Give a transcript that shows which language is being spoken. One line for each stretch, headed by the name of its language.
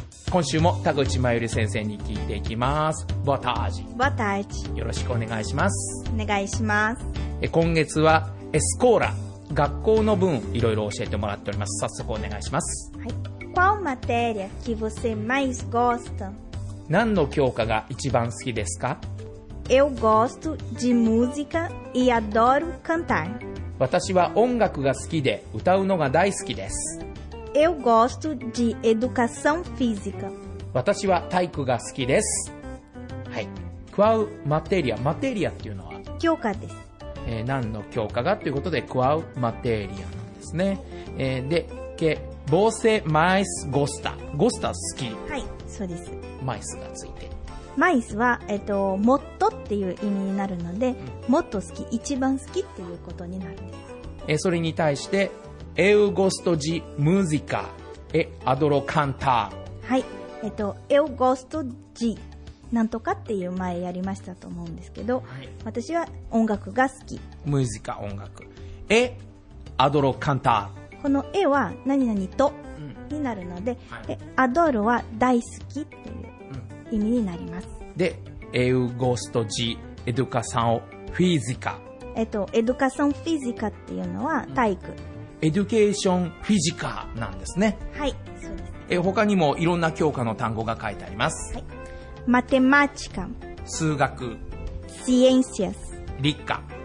Japanese: 今週も田口真由里先生に聞いていきます。
Portuguese: ボタージ、ボタージ、
Japanese: よろしくお願いします。お願いします。今月はエスコーラ、学校の分いろいろ教えてもらっております。早速お願いします。はい。
Portuguese: Qual matéria que você mais gosta?
Japanese: 何の教科が一番好きですか？
Portuguese: Eu gosto de música e adoro cantar.
Japanese: 私は音楽が好きで歌うのが大好きです。
Portuguese: Eu gosto de educação física.
Japanese: 私は体育が好きです。はい。
Portuguese: Qual matéria?
Japanese: Matéria っていうのは教科です。何の教科がということで
Portuguese: Qual matéria
Japanese: なんですね。
Portuguese: で、que você mais gosta? Gosta
Japanese: 好き。はい、そうです。 mais がついて、 mais は、もっとっていう意味になるので、うん、もっと好き、一番好きっていうことになるんです。それに対して
Portuguese: Eu gosto de música e adoro cantar.
Japanese: はい。
Portuguese: Eu gosto de
Japanese: なんとかっていう前やりましたと思うんですけど、はい、私は音楽が好き。
Portuguese: Música
Japanese: 音楽。
Portuguese: e adoro cantar.
Japanese: この e は何々とになるので、うん、はい、adoro は大好きっていう意味になります。
Portuguese: で、Eu gosto de educação física.
Japanese: Educação física っていうのは体育。うん、エデュケーションフィジカなんですね。はい、そうです。他にもいろんな教科の単語が書いてあります。はい。マテマチカ、数学。シエンシアス、理科。